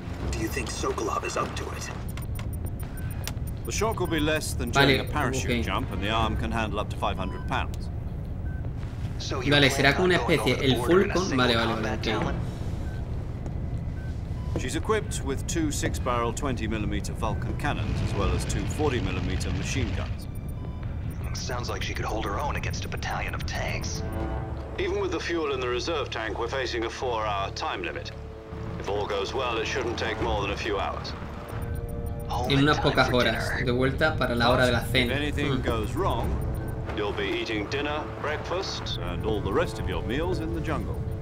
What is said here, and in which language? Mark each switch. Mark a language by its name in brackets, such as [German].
[English] Do you think Sokolov is up to it? The shock will be less than [Spanish] vale, [English] a parachute okay. Jump and the arm can handle up to 500 pounds. [Spanish] Vale, será como una especie el Fulcon, vale. [English] Okay. She's equipped with 2 6-barrel 20mm Vulcan cannons as well as 2 40mm machine guns. Sounds like she could hold her own against a battalion of tanks. Even with the fuel in the reserve tank, we're facing a 4-hour time limit. If all goes well, it shouldn't take more than a few hours. [Spanish] En unas pocas horas, de vuelta para la hora de la cena. [English] If anything goes wrong, you'll be eating dinner, breakfast, and all the rest of your meals in the jungle.